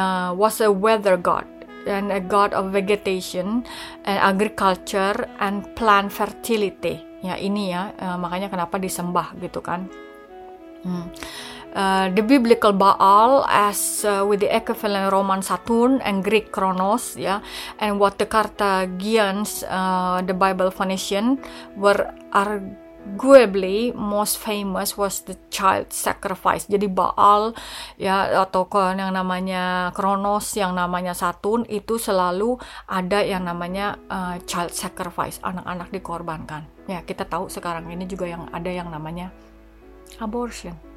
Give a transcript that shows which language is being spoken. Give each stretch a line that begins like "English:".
English: Was a weather god and a god of vegetation and agriculture and plant fertility.
Indonesian: Ya ini ya, makanya kenapa disembah gitu kan.
English: The biblical Baal as with the equivalent Roman Saturn and Greek Kronos ya, yeah, and what the Carthaginians the Bible Phoenician were arguably most famous was the child sacrifice.
Indonesian: Jadi Baal ya, yeah, atau yang namanya Kronos, yang namanya Saturn, itu selalu ada yang namanya child sacrifice, anak-anak dikorbankan. Ya, kita tahu sekarang ini juga yang ada yang namanya abortion.